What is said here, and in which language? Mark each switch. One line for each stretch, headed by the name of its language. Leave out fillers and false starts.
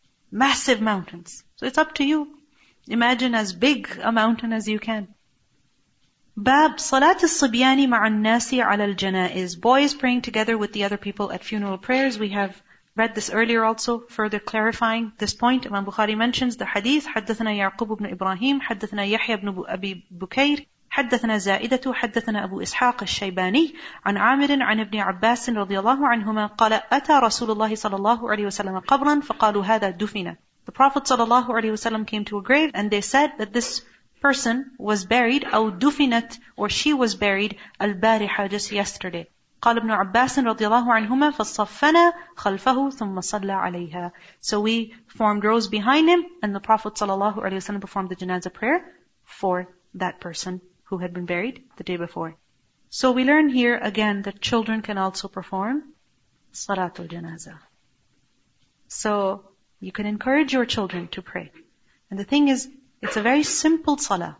English: Massive mountains. So it's up to you. Imagine as big a mountain as you can.
Arabic: Bab salat al-sibyani ma'a an-nasi 'ala al-janaiz.
English: Boys praying together with the other people at funeral prayers. We have read this earlier also, further clarifying this point. Imam Bukhari mentions the hadith,
Arabic: حدثنا يعقوب بن إبراهيم حدثنا يحيى بن أبي بكير حدثنا زائدة حدثنا أبو إسحاق الشيباني عن عامر عن ابن عباس رضي الله عنهما قال أتى رسول الله صلى الله عليه وسلم قبرا فقالوا هذا دفن.
English: The Prophet صلى الله عليه وسلم came to a grave and they said that this person was buried,
Arabic: أو دفنت,
English: or she was buried,
Arabic: البارحة,
English: just yesterday.
Arabic: قال ابن عباس رضي الله عنهما فصفنا خلفه ثم صلى عليها.
English: So we formed rows behind him and the Prophet صلى الله عليه وسلم performed the janazah prayer for that person who had been buried the day before. So we learn here again that children can also perform salatul janazah. So you can encourage your children to pray. And the thing is, it's a very simple salah.